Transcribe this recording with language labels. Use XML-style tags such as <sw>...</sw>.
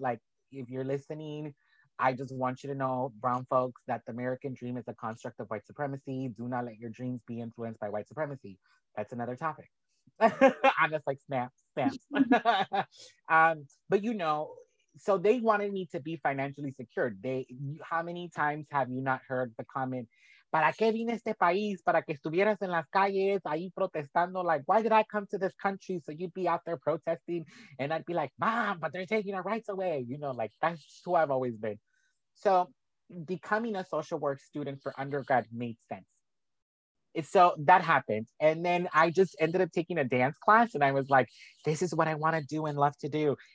<en>Like, if you're listening, I just want you to know, brown folks, that the American dream is a construct of white supremacy. Do not let your dreams be influenced by white supremacy. That's another topic. I'm just like, snap, snap. but you know, so they wanted me to be financially secured. How many times have you not heard the comment,</en> <es>¿Para qué vine este país? ¿Para que estuvieras en las calles ahí protestando?</es> <en>Like, why did I come to this country so you'd be out there protesting? And I'd be like, Mom, but they're taking our rights away. You know, like, that's who I've always been. So becoming a social work student for undergrad made sense. So that happened. And then I just ended up taking a dance class and I was like, this is what I want to do and love to do.</en>